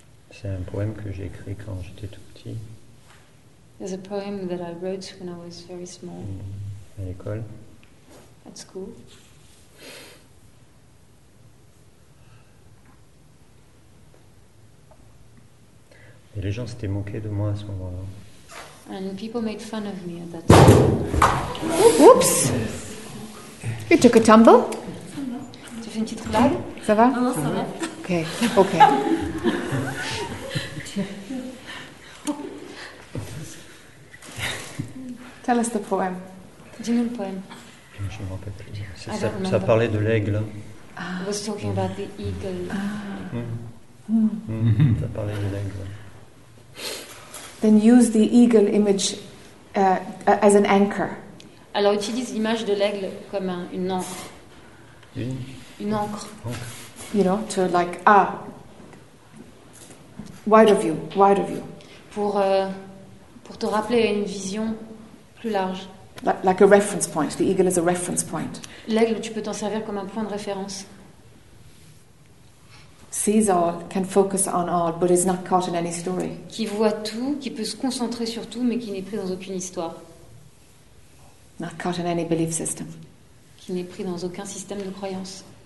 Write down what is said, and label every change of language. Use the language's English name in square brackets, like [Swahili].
[French] C'est un poème que j'ai écrit quand j'étais tout petit. [English] There's a poem that I wrote when I was very small. [French] À l'école. [English] At school. [French] Et les gens s'étaient moqués de moi à ce moment-là. [English] And people made fun of me at that time. Oups! You took a tumble. [French] Tu fais une petite blague? Ça va? Non, ça va. Ok, ok. [English] Tell us the poem. [French] Dis-nous le poème. Je ne me rappelle plus. Ça parlait de l'aigle. [English] Ah. I was talking about the eagle. Ah. [French] Ça parlait de l'aigle. [English] Then use the eagle image as an anchor. [French] Alors utilise l'image de l'aigle comme une ancre. Une ancre. [English] You know, to like, ah, wide of you. [French] Pour te rappeler une vision. [English] Like a reference point. The eagle is a reference point. [French] L'aigle, tu peux t'en servir comme un point de référence. [English] Sees all, can focus on all, but is not caught in any story. [French] Qui voit tout, qui peut se concentrer sur tout, mais qui n'est pris dans aucune histoire. [English] Not caught in any belief system. [French] Qui n'est pris dans aucun système de croyance.